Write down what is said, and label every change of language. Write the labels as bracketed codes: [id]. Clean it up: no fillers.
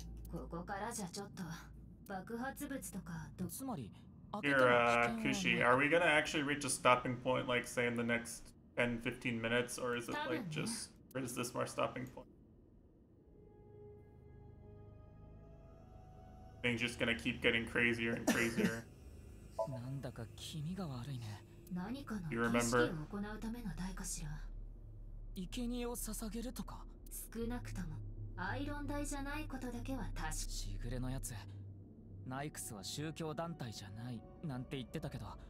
[ja] ここからじゃちょっと爆発物とか、つまり、 [en] Here, Kushi, are we gonna actually reach a stopping point, like say in the next 10-15 minutes, or is it like just, where is this more stopping point? Things just gonna keep getting crazier and crazier. [ja] なんだか気味が悪いね。何かの儀式を行うための代かしら。生贄を捧げるとか。少なくとも。アイロン台じゃないことだけは確か。シグレのやつ、ナイクスは宗教団体じゃないなんて言ってたけど。